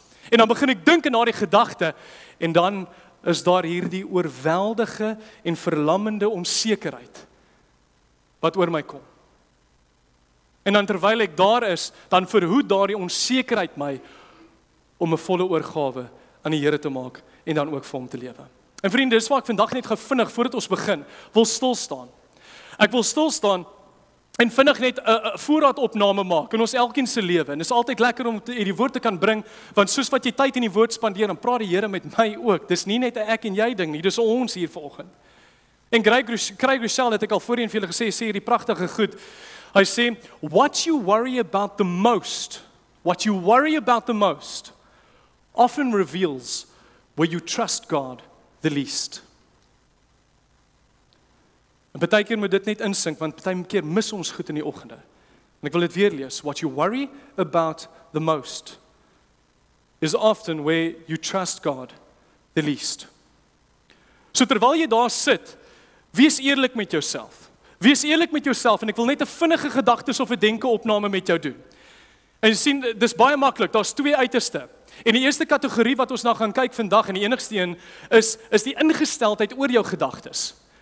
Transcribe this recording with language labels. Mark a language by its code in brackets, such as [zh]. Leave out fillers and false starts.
[af] En dan begin ek dink aan daardie gedagte en dan is daar hierdie oorweldige en verlammende onsekerheid wat oor my kom. En dan terwyl ek daar is, dan verhoed daardie onsekerheid my om 'n volle oorgawe aan die Here te maak en dan ook vir hom te lewe. En vriende, dis waar ek vandag net vinnig voordat ons begin, wil stil staan. Ek wil stil staan en vinnig net 'n voorraadopname maak in ons elkeen se lewe. En dis altyd lekker om die woord te kan bring, want soos wat jy tyd in die woord spandeer, dan praat die Here met my ook. Dis nie net 'n ek en jy ding nie, dis ons hier vanoggend. En Craig Rochelle het ek al voorheen vir julle gesê, sê hierdie pragtige goed. Hy sê, [en] what you worry about the most often reveals where you trust God the least. [af] En partykeer moet dit net insink, want partykeer mis ons goed in die oggende. En ek wil dit weer lees. [en] What you worry about the most is often where you trust God the least. [af] So terwyl jy daar sit, wees eerlik met jouself. Wees eerlik met jouself en ek wil net 'n vinnige gedagtes of 'n denke opname met jou doen. En jy sien, dis baie maklik. Daar's 2 uiterste. En die eerste kategorie wat ons nou gaan kyk vandag en die enigste een is die ingesteldheid oor jou gedagtes.